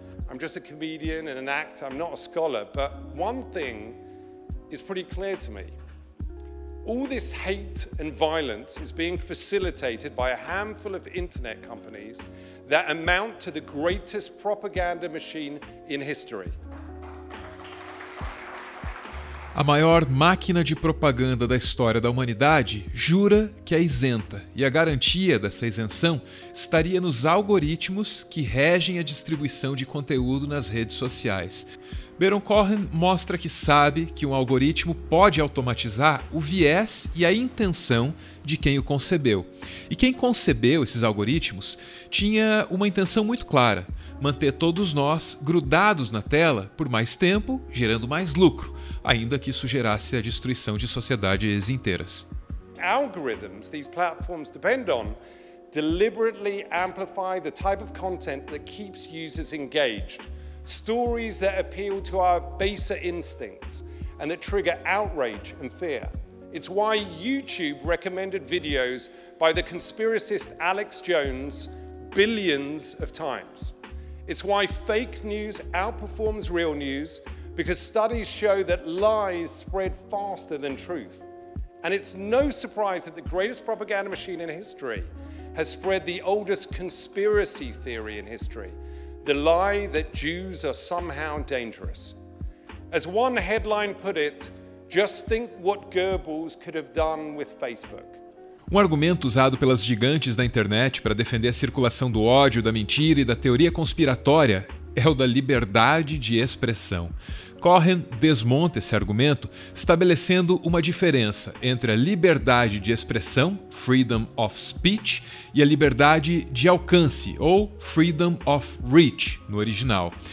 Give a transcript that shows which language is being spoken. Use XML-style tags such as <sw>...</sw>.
<en>I'm just a comedian and an actor, I'm not a scholar, but one thing is pretty clear to me. All this hate and violence is being facilitated by a handful of internet companies that amount to the greatest propaganda machine in history.</en> <pt>A maior máquina de propaganda da história da humanidade jura que é isenta, e a garantia dessa isenção estaria nos algoritmos que regem a distribuição de conteúdo nas redes sociais. Baron Cohen mostra que sabe que um algoritmo pode automatizar o viés e a intenção de quem o concebeu. E quem concebeu esses algoritmos tinha uma intenção muito clara: manter todos nós grudados na tela por mais tempo, gerando mais lucro, ainda que isso gerasse a destruição de sociedades inteiras.</pt> <en>Algorithms, these platforms depend on, deliberately amplify the type of content that keeps users engaged. Stories that appeal to our baser instincts and that trigger outrage and fear. It's why YouTube recommended videos by the conspiracist Alex Jones billions of times. It's why fake news outperforms real news, because studies show that lies spread faster than truth. And it's no surprise that the greatest propaganda machine in history has spread the oldest conspiracy theory in history. The lie that Jews are somehow dangerous. As one headline put it, just think what Goebbels could have done with Facebook.</en> <pt>Um argumento usado pelas gigantes da internet para defender a circulação do ódio, da mentira e da teoria conspiratória é o da liberdade de expressão. Cohen desmonta esse argumento, estabelecendo uma diferença entre a liberdade de expressão,</pt> <en>freedom of speech,</en> <pt>e a liberdade de alcance, ou</pt> <en>freedom of reach,</en> <pt>no original.</pt>